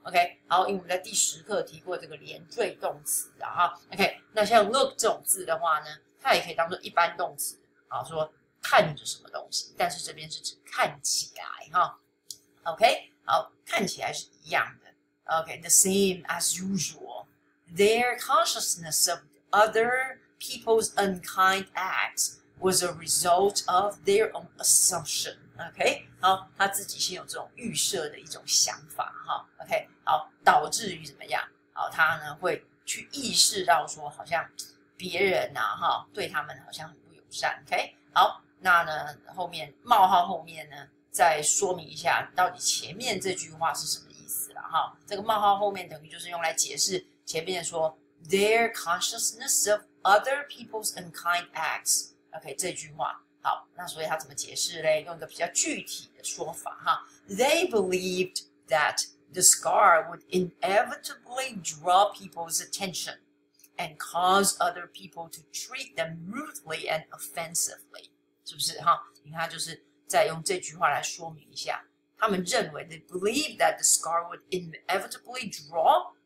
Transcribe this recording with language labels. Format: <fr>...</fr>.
<zh>OK， 好，因为我们在第十课提过这个连缀动词啊。 OK， 那像 look 这种字的话呢，它也可以当做一般动词，好说看着什么东西，但是这边是指看起来哈。 OK， 好，看起来是一样的。</zh> <en>OK， the same as usual. Their consciousness of other people's unkind acts was a result of their own assumption. OK。</en> <zh>好，他自己先有这种预设的一种想法哈 ，OK， 好，导致于怎么样？好，他呢会去意识到说，好像别人啊哈，对他们好像很不友善 ，OK， 好，那呢后面冒号后面呢再说明一下，到底前面这句话是什么意思了哈？这个冒号后面等于就是用来解释前面说</zh> <en>their consciousness of other people's unkind acts，</en> <zh>OK，、okay, 这句话。好，那所以他怎么解释呢？用一个比较具体的说法哈。</zh> <en>They believed that the scar would inevitably draw people's attention and cause other people to treat them rudely and offensively.</en> <zh>是不是哈？你看，就是在用这句话来说明一下。他们认为</zh> <en>，they believed that the scar would inevitably draw.</en>